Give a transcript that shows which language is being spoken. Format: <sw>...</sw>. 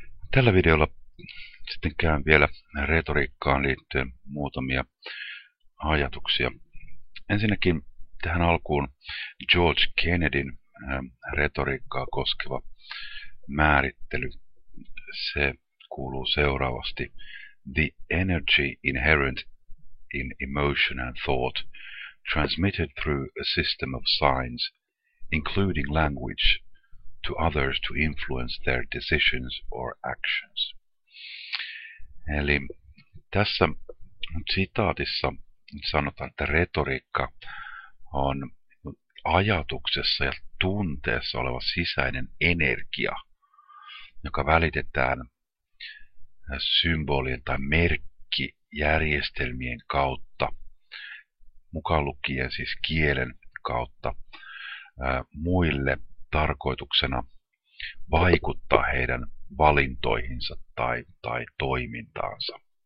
<fi>Tällä videolla sitten käyn vielä retoriikkaan liittyen muutamia ajatuksia. Ensinnäkin tähän alkuun George Kennedyn retoriikkaa koskeva määrittely. Se kuuluu seuraavasti:</fi> <en>the energy inherent in emotion and thought transmitted through a system of signs, including language, to others to influence their decisions or actions.</en> <fi>Eli tässä sitaatissa sanotaan, että retoriikka on ajatuksessa ja tunteessa oleva sisäinen energia, joka välitetään symbolien tai merkkijärjestelmien kautta, mukaan lukien siis kielen kautta, muille tarkoituksena vaikuttaa heidän valintoihinsa tai toimintaansa.</fi>